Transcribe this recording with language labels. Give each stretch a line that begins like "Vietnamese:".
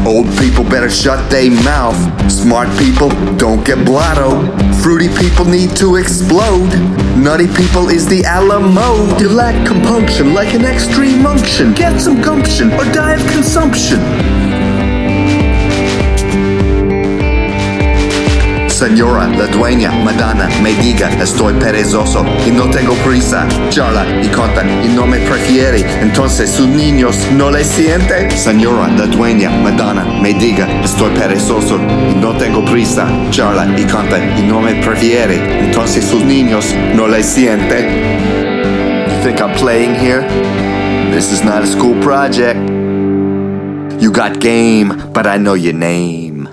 English: Old people better shut they mouth. Smart people, don't get blotto. Fruity people need to explode. Nutty people is the Alamo. You lack compunction like an extreme unction. Get some gumption or die of consumption.
Spanish: Señora, la dueña, Madonna, me diga, estoy perezoso y no tengo prisa. Charla y conta y no me prefiere, entonces sus niños no le siente. Señora, la dueña, Madonna, me diga, estoy perezoso y no tengo prisa. Charla y conta y no me prefiere, entonces sus niños no le siente.
English: You think I'm playing here? This is not a school project. You got game, but I know your name.